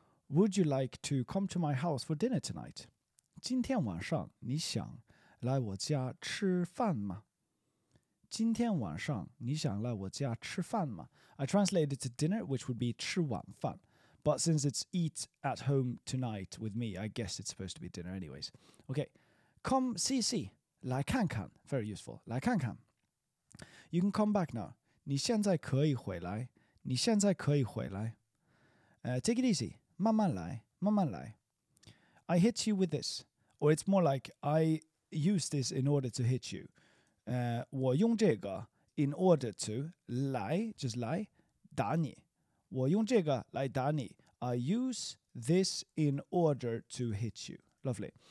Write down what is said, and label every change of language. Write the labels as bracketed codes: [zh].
[en] Would you like to come to my house for dinner tonight? [zh] 今天晚上你想来我家吃饭吗? 今天晚上你想来我家吃饭吗? [en] I translated it to dinner, which would be [zh] 吃晚饭。 [en] But since it's eat at home tonight with me, I guess it's supposed to be dinner anyways. Okay, come see, see, [zh] 来看看, [en] very useful, 来看看.You can come back now. [zh] 你现在可以回来,你现在可以回来. [en] Take it easy, [zh] 慢慢来,慢慢来. [en] I hit you with this, or it's more like I use this in order to hit you. [zh] 我用这个 [en] in order to, [zh] 来, just 来, 打你。我用这个来打你。 [en] I use this in order to hit you. Lovely.